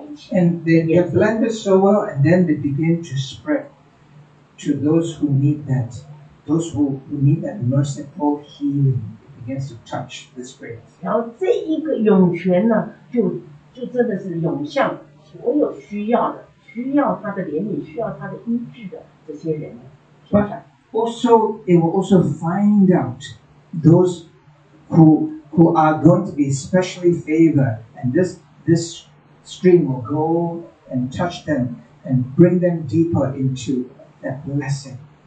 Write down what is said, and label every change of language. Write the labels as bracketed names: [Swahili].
[English] And they have blended so well, and then they begin to spread to those who need that, those who need that merciful healing. It begins to touch the spirit. [Chinese] 然后这一个涌泉呢，就真的是涌向所有需要的，需要他的怜悯，需要他的医治的这些人。 [English] But also, it will also find out those who are going to be specially favored, and this stream will go and touch them and bring them deeper into that blessing.